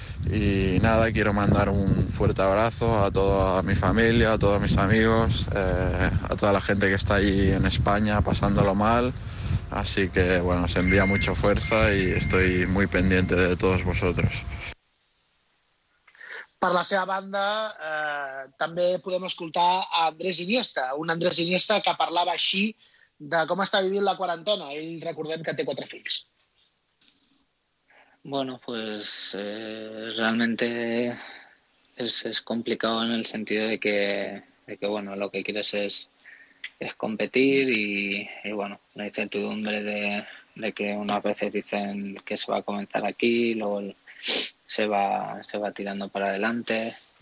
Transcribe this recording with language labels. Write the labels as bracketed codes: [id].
[es] Y nada, quiero mandar un fuerte abrazo a toda mi familia, a todos mis amigos, a toda la gente que está ahí en España pasándolo mal. Así que, bueno, se envía mucha fuerza y estoy muy pendiente de todos vosotros. [ca] per la seva banda, també podem escoltar a Andrés Iniesta, un Andrés Iniesta que parlava així de com està vivint la quarantena. Ell, recordem que té 4 fills. [es] Bueno, pues realmente es complicado en el sentido de que bueno, lo que quieres es competir y bueno, la incertidumbre de que unas veces dicen que se va a comenzar aquí, luego se va tirando para adelante.